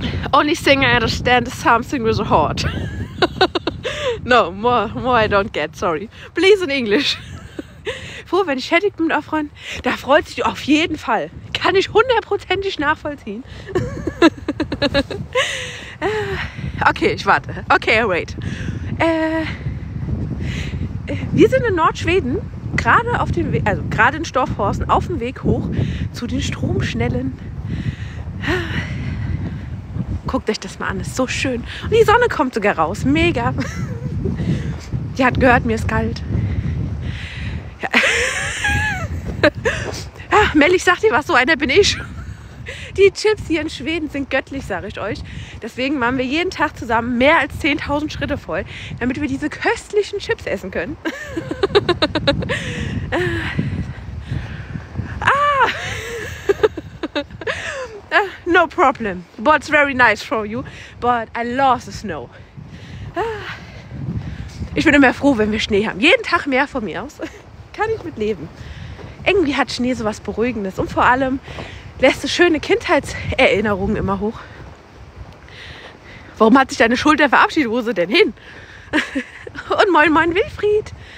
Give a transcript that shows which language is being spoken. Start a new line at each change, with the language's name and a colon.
English: Only thing I understand is something with a heart. No, more I don't get, sorry. Please in English.
German: Froh, wenn ich fertig bin mit aufräumen, da freut sich auf jeden Fall. Kann ich hundertprozentig nachvollziehen. Okay, ich warte.
English: Okay, I wait.
German: Wir sind in Nordschweden, gerade auf dem Weg, also gerade in Storforsen, auf dem Weg hoch zu den Stromschnellen. Guckt euch das mal an, ist so schön. Und die Sonne kommt sogar raus, mega. Die hat gehört, mir ist kalt. Ja. Ach, Mel, ich sag dir was, so einer bin ich. Die Chips hier in Schweden sind göttlich, sage ich euch. Deswegen machen wir jeden Tag zusammen mehr als 10.000 Schritte voll, damit wir diese köstlichen Chips essen können. Ah!
English: No problem, but it's very nice for you, but I love the snow.
German: Ich bin immer froh, wenn wir Schnee haben. Jeden Tag mehr von mir aus. Kann ich mit leben. Irgendwie hat Schnee so was Beruhigendes und vor allem lässt es schöne Kindheitserinnerungen immer hoch. Warum hat sich deine Schulter verabschiedet? Wo ist sie denn hin? Und moin moin Wilfried.